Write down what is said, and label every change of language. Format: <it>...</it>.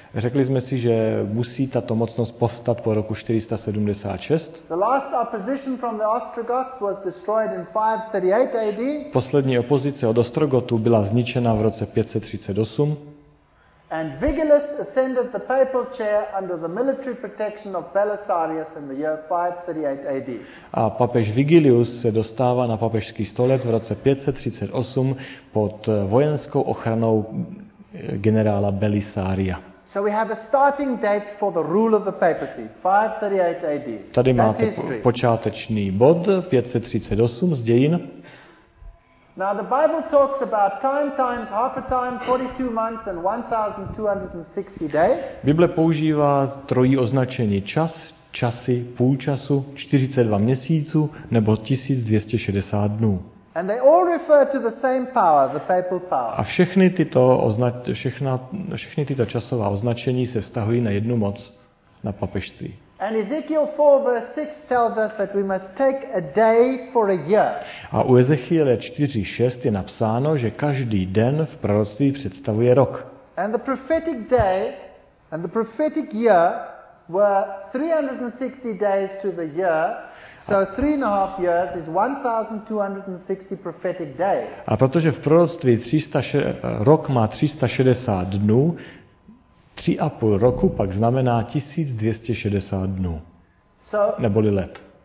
<cs>Řekli jsme si, že musí tato mocnost povstat po roku 476.</cs> <en>The last opposition from the Ostrogoths was destroyed in 538 AD.</en> <cs>Poslední opozice od Ostrogotů byla zničena v roce 538.</cs> <en>And Vigilius ascended the papal chair under the military protection of Belisarius in the year 538 AD.</en> <cs>A papež Vigilius se dostává na papežský stolec v roce 538 pod vojenskou ochranou generála Belisaria.</cs> <en>So we have a starting date for the rule of the papacy, 538 AD.</en> <cs>Tady máte počáteční bod 538 z dějin.</cs> <en>Now the Bible talks about time times half a time 42 months and 1260 days.</en> <cs>Bible používá trojí označení čas, časy, půl času, 42 měsíců nebo 1260 dnů.</cs> <en>And they all refer to the same power, the papal power.</en> <cs>A všechny tyto časová označení se vztahují na jednu moc, na papežství.</cs> <en>And Ezekiel 4 verse 6 tells us that we must take a day for a year.</en> <cs>A u Ezechiele 4:6 je napsáno, že každý den v proroctví představuje rok.</cs> <en>And the prophetic day and the prophetic year were 360 days to the year. So 3.5 years is 1260 prophetic days.</en> <cs>A protože v proroctví rok má 360 dnů, 3,5 roku pak znamená 1260 dnů, neboli let.</cs>